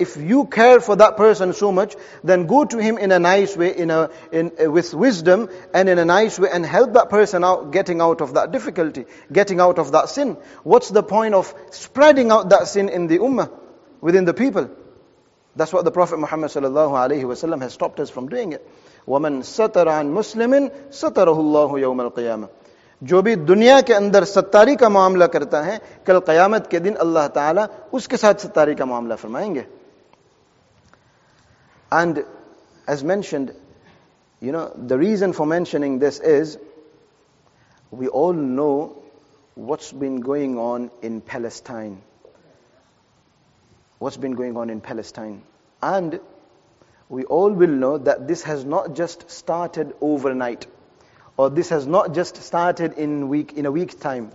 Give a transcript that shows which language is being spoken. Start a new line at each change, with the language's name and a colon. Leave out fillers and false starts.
English: If you care for that person so much, then go to him in a nice way, with wisdom and in a nice way, and help that person out, getting out of that difficulty, getting out of that sin. What's the point of spreading out that sin in the ummah, within the people? That's what the Prophet Muhammad sallallahu alaihi wasallam has stopped us from doing it.
Arabic: وَمَنْ سَتَرَ عَنْ مُسْلِمٍ سَتَرَهُ اللَّهُ يَوْمَ الْقِيَامَةِ.
Urdu: جو بھی دنیا کے اندر ستاری کا معاملہ کرتا ہے, کل قیامت کے دن اللہ تعالیٰ اس کے ساتھ ستاری کا معاملہ فرمائیں گے.
English: And as mentioned, you know, the reason for mentioning this is, we all know what's been going on in Palestine. What's been going on in Palestine? And we all will know that this has not just started overnight, or this has not just started in a week's time.